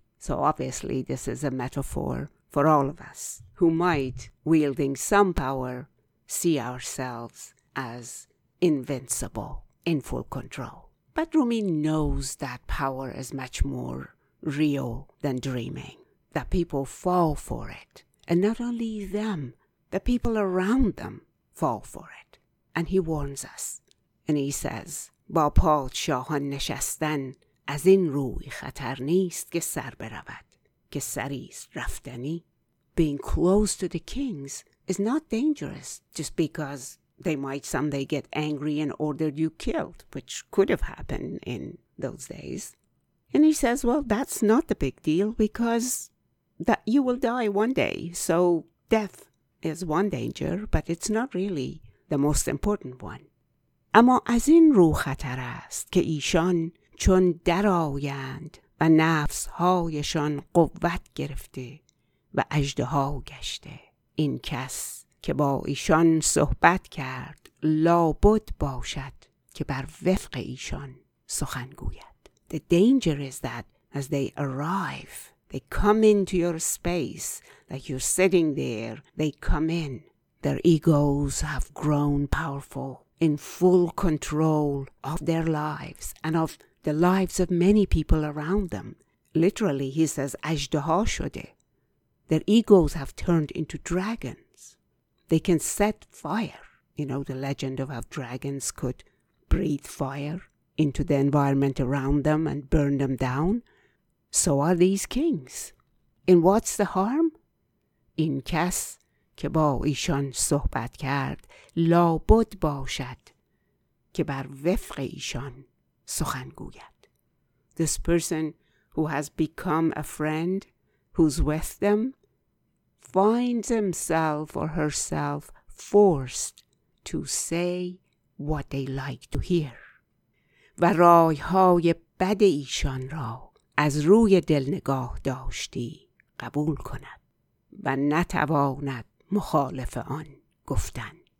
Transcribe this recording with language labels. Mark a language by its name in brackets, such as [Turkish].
[English] So obviously, this is a metaphor for all of us who might, wielding some power, see ourselves as invincible, in full control. But Rumi knows that power is much more real than dreaming, that people fall for it. And not only them, the people around them fall for it. And he warns us. And he says, [Persian] با پادشاهان نشستن از این روی خطر نیست که سر برود که سریست رفتنی. [English] Being close to the kings is not dangerous just because they might someday get angry and order you killed, which could have happened in those days. And he says, well, that's not the big deal because that you will die one day. So death is one danger, but it's not really the most important one. [Persian] اما از این رو خطر است که ایشان چون در آیند و نفس هایشان قوت گرفته و اژدها گشته. این کس که با ایشان صحبت کرد لابد باشد که بر وفق ایشان سخن گوید. [English] The danger is that as they arrive, they come into your space, like you're sitting there, they come in. Their egos have grown powerful, in full control of their lives and of the lives of many people around them. Literally, he says, [Persian] اژدها شده. [English] Their egos have turned into dragons. They can set fire. You know, the legend of how dragons could breathe fire into the environment around them and burn them down. So are these kings. And what's the harm? [Persian] این کس که با ایشان صحبت کرد لابد باشد که بر وفق ایشان سخن گوید. [English] This person who has become a friend, who's with them, finds himself or herself forced to say what they like to hear [Persian] و رای های بد ایشان را از روی دل نگاه داشتی قبول کند و نتواند مخالف آن گفتن.